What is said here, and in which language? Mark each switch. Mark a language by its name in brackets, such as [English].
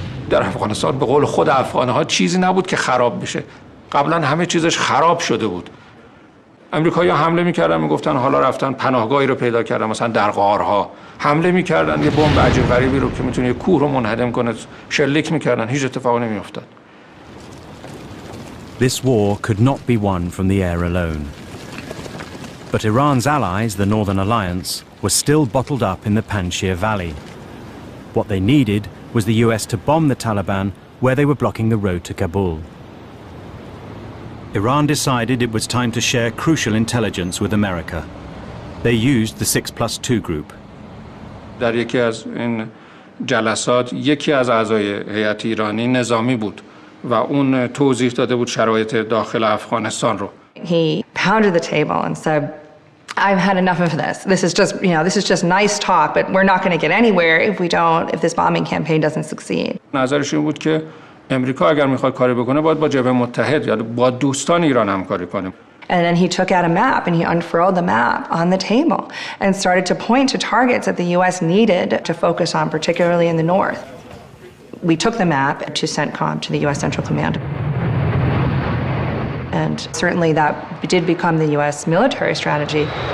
[Persian] در افغانستان به قول خود افغان‌ها چیزی نبود که خراب بشه. قبلا همه چیزش خراب شده بود. آمریکایی‌ها حمله می‌کردن می‌گفتن حالا رفتن پناهگاهی رو پیدا کردن مثلا در غارها حمله می‌کردن یه بمب عجیب غریبی رو که می‌تونه یه کوه رو منهدم کنه شلیک می‌کردن هیچ اتفاقی نمی‌افتاد. [English] This war could not be won from the air alone. But Iran's allies, the Northern Alliance, were still bottled up in the Panjshir Valley. What they needed was the US to bomb the Taliban where they were blocking the road to Kabul. Iran decided it was time to share crucial intelligence with America. They used the 6+2 group. [Persian] در یکی از این جلسات یکی از اعضای هیئت ایرانی نظامی بود و اون توضیح داده بود شرایط داخل افغانستان رو. [English] He pounded the table and said, "I've had enough of this. This is just nice talk, but we're not going to get anywhere if this bombing campaign doesn't succeed." [Persian] نظرش این بود که امریکا اگر میخواد کاری بکنه باید با جبهه متحد یا با دوستان ایران همکاری کنه. [English] And then he took out a map and he unfurled the map on the table and started to point to targets that the US needed to focus on, particularly in the north. We took the map to CENTCOM, to the US Central Command. And certainly that did become the US military strategy.